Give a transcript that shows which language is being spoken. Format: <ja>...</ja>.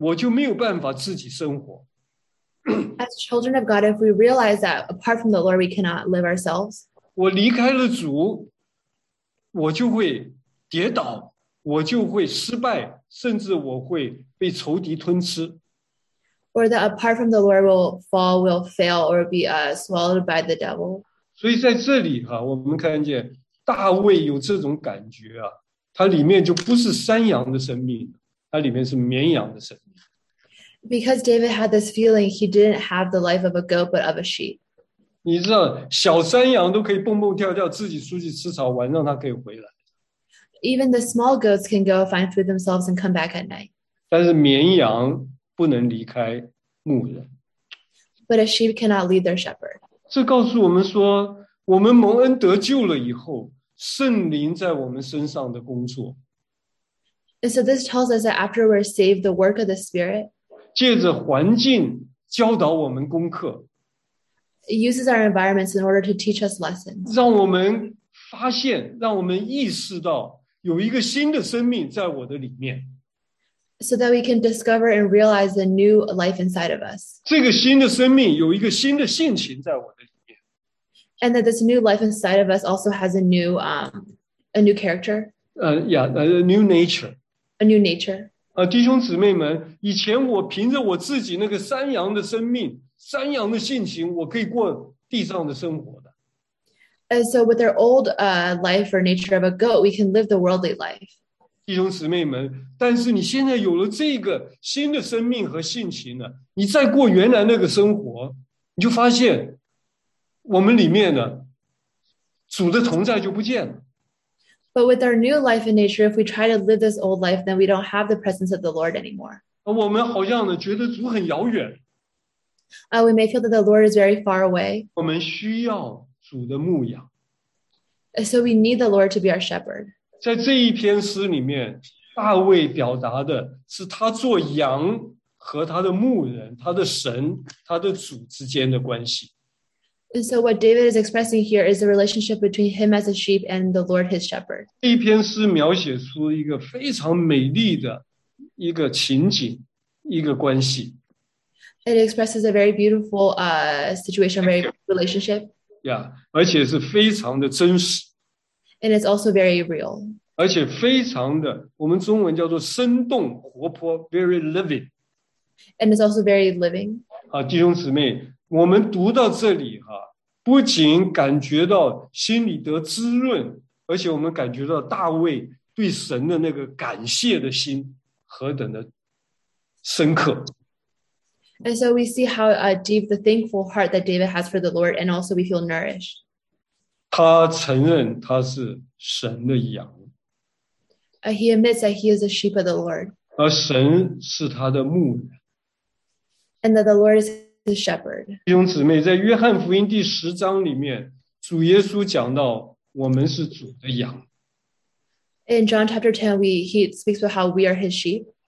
<zh>弟兄姊妹们，神的儿女们，如果我们爱慕主，到一个地步，感觉到我离开了主，我就没有办法自己生活。</zh> <en>As children of God, if we realize that apart from the Lord, we cannot live ourselves.</en> <zh>我离开了主，我就会跌倒。我就会失败，甚至我会被仇敌吞吃。</zh> <en>Or that apart from the Lord will fall, will fail, or be swallowed by the devil.</en> <zh>所以在这里，我们看见大卫有这种感觉，他里面就不是山羊的生命，他里面是绵羊的生命。</zh> <en>Because David had this feeling, he didn't have the life of a goat, but of a sheep.</en> <zh>你知道，小山羊都可以蹦蹦跳跳，自己出去吃草，晚上它可以回来。</zh> <en>Even the small goats can go find food themselves and come back at night.</en> <zh>但是绵羊不能离开牧人。</zh> <en>but a sheep cannot lead their shepherd.</en> <zh>这告诉我们说，我们蒙恩得救了以后，圣灵在我们身上的工作。</zh> <en>And so this tells us that after we're saved, the work of the Spirit</en> <zh>借着环境教导我们功课。</zh> <en>It uses our environments in order to teach us lessons.</en> <zh>让我们发现，让我们意识到有一个新的生命在我的里面。</zh> <en>So that we can discover and realize the new life inside of us.</en> <zh>这个新的生命有一个新的性情在我的里面。</zh> <en>And that this new life inside of us also has a new character. A new nature. A new nature.</en> <zh>弟兄姊妹们，以前我凭着我自己那个山羊的生命，山羊的性情，我可以过地上的生活的。</zh> <en>And so with our old life or nature of a goat, we can live the worldly life.</en> <zh>弟兄姊妹们，但是你现在有了这个新的生命和性情了，你再过原来那个生活，你就发现我们里面呢，主的同在就不见了。</zh> <en>But with our new life and nature, if we try to live this old life, then we don't have the presence of the Lord anymore.</en> <zh>我们好像呢，觉得主很遥远。</zh> <en>We may feel that the Lord is very far away.</en> <zh>我们需要主的牧养。</zh> <en>So we need the Lord to be our shepherd.</en> <zh>在这一篇诗里面，大卫表达的是他做羊和他的牧人、他的神、他的主之间的关系。</zh> <en>And so what David is expressing here is the relationship between him as a sheep and the Lord his shepherd.</en> <zh>这一篇诗描写出一个非常美丽的一个情景、一个关系。</zh> <en>It expresses a very beautiful situation, very relationship.</en> <zh>Yeah, 而且是非常的真实。</zh> <en>And it's also very real.</en> <zh>而且非常的，我们中文叫做生动活泼</zh> <en>very living. And it's also very living.</en> <zh>好，弟兄姊妹。我们读到这里哈，不仅感觉到心里得滋润，而且我们感觉到大卫对神的那个感谢的心何等的深刻。</zh> <en>And so we see how deep the thankful heart that David has for the Lord, and also we feel nourished.</en> <zh>他承认他是神的羊。</zh> <en>He admits that he is a sheep of the Lord.</en> <zh>而神是他的牧人。</zh> <en>And that the Lord is. The shepherd.</en> <zh>弟兄姊妹，在约翰福音第十章里面，主耶稣讲到我们是主的羊。</zh> <en>In John chapter 10, he speaks about how we are his sheep.</en>